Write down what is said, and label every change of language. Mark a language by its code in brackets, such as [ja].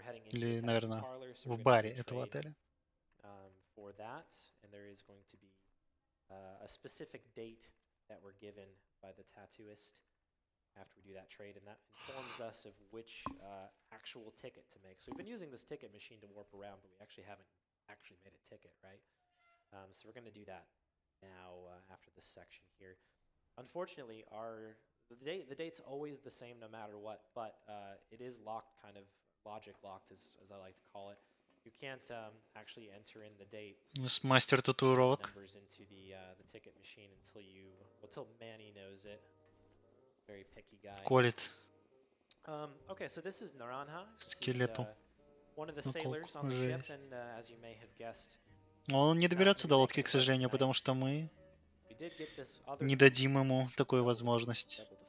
[ru] Или, наверное, в баре этого отеля. [en] For that, and there is going to be a specific date that we're given by the tattooist after we do that trade, and that informs us of which actual ticket to make. So we've been using this ticket machine to warp around, but we actually haven't actually made a ticket, right? So we're going to do that now after this section here. Unfortunately, the date's always the same no matter what, but it is locked kind of logic locked, as I like to call it. You can't actually enter in the date. [ru] Мастер татуировок. [en] Numbers into the ticket machine until Manny knows it. Very picky guy. [ru] Колит. [en] Okay, so this is Naranja. [ru] Скелету. [en] One of the sailors on the ship, and as you may have guessed. [ru] Он не доберется до лодки, к сожалению, потому что мы не дадим ему такую возможность.